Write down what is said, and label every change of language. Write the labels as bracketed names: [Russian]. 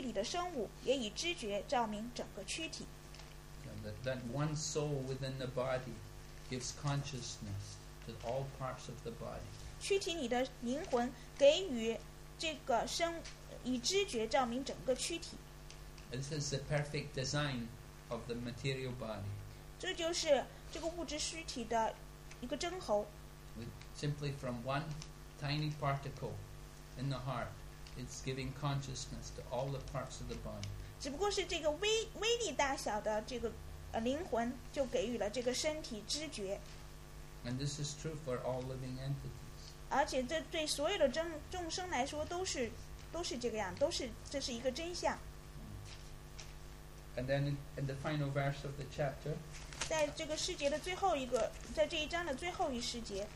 [Chinese] 34世节，巴拉塔之子呀，正如太阳独自照明整个宇宙，在躯体里的生物也以知觉照明整个躯体。 [English] That one soul within the body gives consciousness to all parts of the body. [Chinese] 躯体里的灵魂给予这个生以知觉照明整个躯体。 [English] This is the perfect design of the material body. [Chinese] 这就是这个物质躯体的一个征候。 [English] Simply from one tiny particle in the heart, it's giving consciousness to all the parts of the body. [Chinese] 只不过是这个微粒大小的这个灵魂，就给予了这个身体知觉。 [English] And this is true for all living entities. [Chinese] 而且这对所有的众生来说都是这个样，都是这是一个真相。 [English] And then in the final verse of the chapter. [Chinese] 在这个世节的最后一个，在这一章的最后一世节